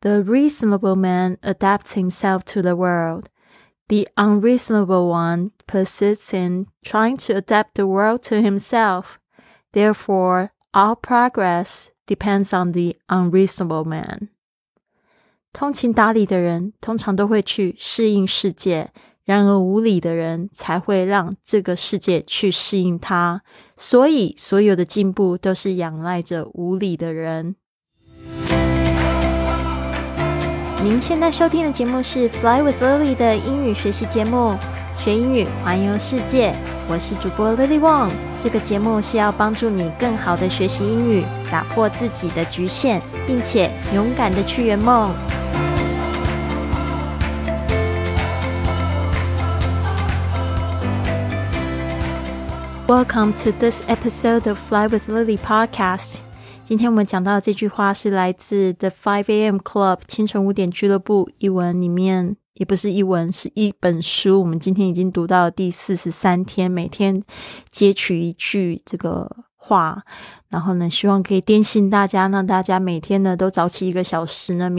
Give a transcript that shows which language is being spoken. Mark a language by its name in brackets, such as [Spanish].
[English] The reasonable man adapts himself to the world. The unreasonable one persists in trying to adapt the world to himself. Therefore, all progress depends on the unreasonable man. [Chinese] 通情达理的人通常都会去适应世界，然而无理的人才会让这个世界去适应他。所以，所有的进步都是仰赖着无理的人。您现在收听的节目是 Fly with Lily 的英语学习节目，学英语环游世界。我是主播 Lily Wong。这个节目是要帮助你更好的学习英语，打破自己的局限，并且勇敢的去圆梦。 [English] Welcome to this episode of Fly with Lily podcast。 [Chinese] 今天我们讲到的这句话是来自 The 5AM Club 清晨五点俱乐部一文里面，也不是一文，是一本书。我们今天已经读到第43天，每天截取一句这个话，然后呢，希望可以点醒大家，让大家每天呢都早起一个小时呢。